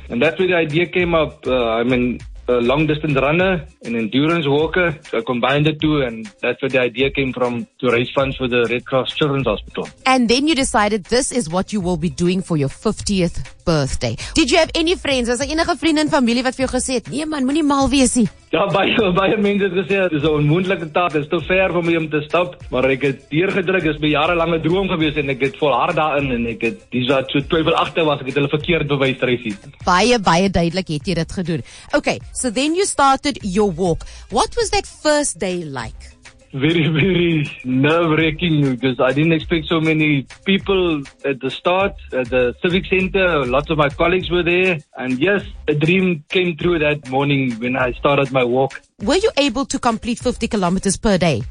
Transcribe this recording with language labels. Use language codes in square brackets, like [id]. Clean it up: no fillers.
[en] And that's where the idea came up. A long-distance runner, an endurance walker. So I combined the two, and that's where the idea came from, to raise funds for the Red Cross Children's Hospital. And then you decided this is what you will be doing for your 50th birthday. Did you have any friends? Was there [af] enige vriende en familie wat vir jou gesê het, nee man, moenie mal wees nie? Ja, baie mense het gesê, dit is 'n onmoontlike taak, dit is te ver vir my om te stap. Maar ek het deurgedruk, dit is my jarelange droom gewees en ek het volhard daarin. En ek het die wat so twyfelagtig was, ek het hulle verkeerd bewys, Tracy. Baie duidelik het jy dit gedoen. [en] Okay, so then you started your walk. What was that first day like? Very, very nerve-wracking, because I didn't expect so many people at the start, at the civic center. Lots of my colleagues were there. And yes, a dream came true that morning when I started my walk. Were you able to complete 50 kilometers per day?